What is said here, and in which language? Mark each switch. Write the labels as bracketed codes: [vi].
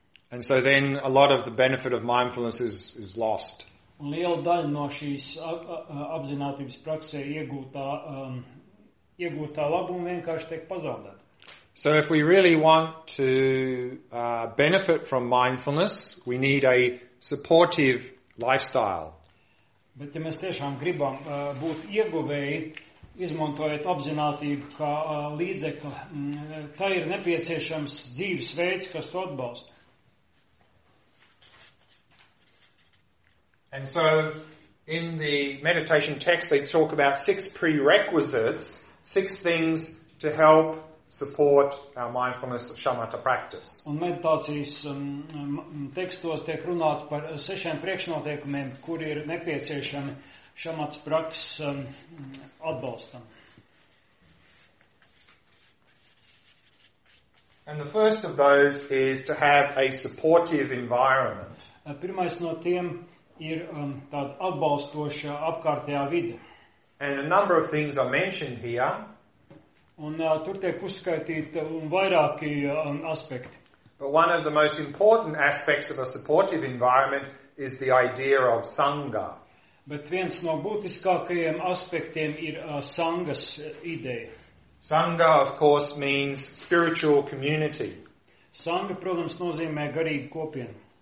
[en] And so then a lot of the benefit of mindfulness is lost. [lv] Un liela daļa no šīs apzinātības praksē iegūtā labuma vienkārši tiek pazaudēta. [en] So if we really want to benefit from mindfulness, we need a supportive lifestyle. [lv] Bet ja mēs tiešām gribam būt ieguvēji, izmantojot apzinātību kā līdzekli, tā ir nepieciešams dzīves veids, kas to atbalsta. [en] And so in the meditation text they talk about six prerequisites, six things to help support our mindfulness shamatha practice. [lv] Un meditācijas tekstos tiek runāts par sešiem priekšnoteikumiem, kuri ir nepieciešami shamatha prakses atbalstam. [en] And the first of those is to have a supportive environment. [lv] Pirmais no tiem ir tāda atbalstoša apkārtējā vide. [en] And a number of things are mentioned here. [lv] Un tur tiek uzskaitīt vairāki aspekti. [en] But one of the most important aspects of a supportive environment is the idea of sangha. [lv] Bet viens no būtiskākajiem aspektiem ir sangas ideja. [en] Sangha, of course, means spiritual community. [lv] Sangha, protams, nozīmē garīgu kopienu.